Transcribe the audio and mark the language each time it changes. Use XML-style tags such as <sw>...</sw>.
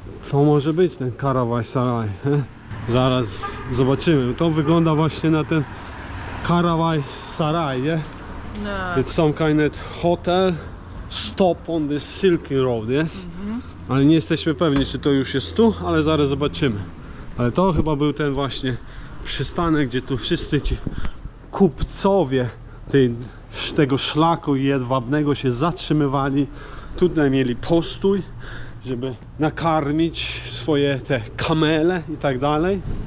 <pl>To może być ten karawajsaraj. Zaraz zobaczymy. To wygląda właśnie na ten karawajsaraj, nie?</pl> <en>It's some kind of hotel stop on this Silk Road, yes?</en> <pl>Ale nie jesteśmy pewni, czy to już jest tu, ale zaraz zobaczymy. Ale to chyba był ten właśnie przystanek, gdzie tu wszyscy ci kupcowie tego szlaku jedwabnego się zatrzymywali. Tutaj mieli postój, żeby nakarmić swoje te kamele i tak dalej.</pl>